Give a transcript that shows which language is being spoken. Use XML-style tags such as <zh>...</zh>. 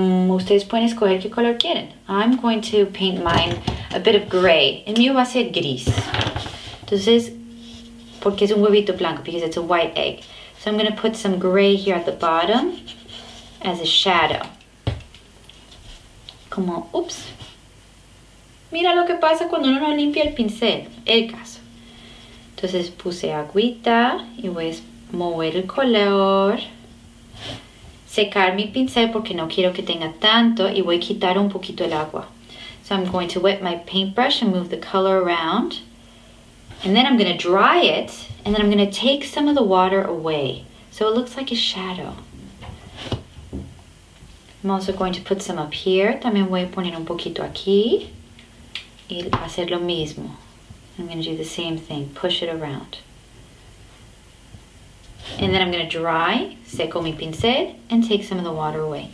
<es>ustedes pueden escoger qué color quieren.</es> <en>I'm going to paint mine a bit of gray.</en> <es>El mío va a ser gris. Entonces, porque es un huevito blanco,</es> <en>because it's a white egg. So I'm going to put some gray here at the bottom as a shadow.</en> <es>Como, oops. Mira lo que pasa cuando uno no limpia el pincel. El caso. Entonces puse agüita y voy a mover el color. Secar mi pincel porque no quiero que tenga tanto y voy a quitar un poquito el agua.</es> <en>So I'm going to wet my paintbrush and move the color around. And then I'm going to dry it and then I'm going to take some of the water away. So it looks like a shadow. I'm also going to put some up here.</en> <es>También voy a poner un poquito aquí y hacer lo mismo.</es> <en>I'm going to do the same thing, push it around. And then I'm going to dry,</en> <es>seco mi pincel,</es> <en>and take some of the water away.</en>